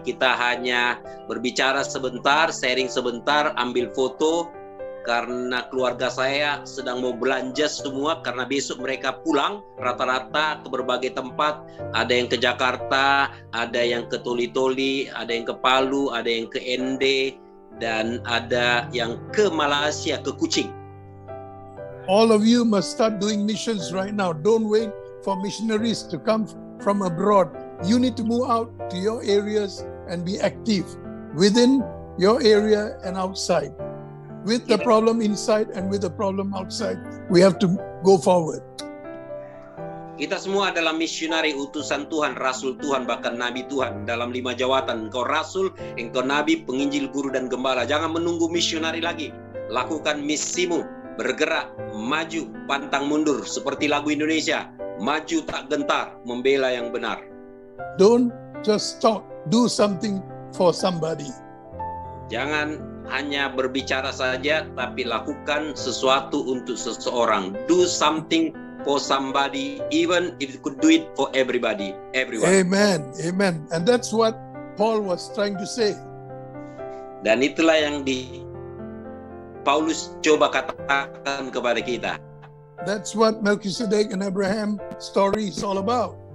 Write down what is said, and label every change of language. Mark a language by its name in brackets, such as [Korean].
[Indonesian] Kita hanya berbicara sebentar, sharing sebentar, ambil foto karena keluarga saya sedang mau belanja semua karena besok mereka pulang rata-rata ke berbagai tempat. Ada yang ke Jakarta, ada yang ke Toli-Toli, ada yang ke Palu, ada yang ke ND, dan ada yang ke Malaysia, ke Kuching. [English] All of you must start doing missions right now. Don't wait for missionaries to come from abroad. You need to move out to your areas and be active within your area and outside. With the problem inside and with the problem outside, we have to go forward. [Indonesian] Kita semua adalah misionari, utusan Tuhan, rasul Tuhan, bahkan nabi Tuhan dalam lima jawatan. Engkau rasul, engkau nabi, penginjil, guru, dan gembala. Jangan menunggu misionari lagi. Lakukan misimu. Bergerak, maju, pantang mundur. Seperti lagu Indonesia, maju tak gentar, membela yang benar. [English] Don't just talk, do something for somebody. [Indonesian] Jangan hanya berbicara saja, tapi lakukan sesuatu untuk seseorang. [English] Do something for somebody, even if you could do it for everybody, everyone. Amen, amen. And that's what Paul was trying to say. [Indonesian] Dan itulah yang di Paulus coba katakan kepada kita. [English] That's what Melchizedek and Abraham story is all about.